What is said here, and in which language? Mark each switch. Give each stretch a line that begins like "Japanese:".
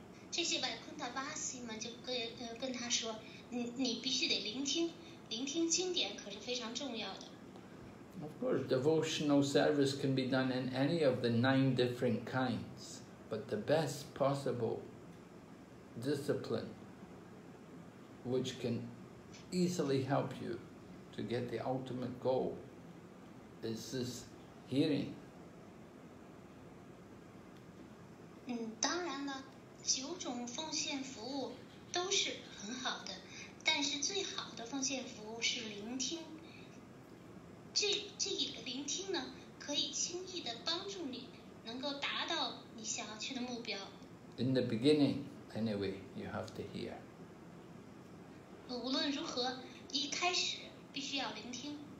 Chinese: 这些外昆达巴西们就跟他说，你必须得聆听经典，可是非常重要的。
English: Of course, devotional service can be done in any of the 9 different kinds, but the best possible discipline, which can easily help you to get the ultimate goal, is this hearing.
Chinese: 当然了，九种奉献服务都是很好的，但是最好的奉献服务是聆听。这一个聆听呢，可以轻易的帮助你能够达到你想要去的目标。
English: In the beginning, anyway, you have to hear.
Chinese: 无论如何，一开始必须要聆听。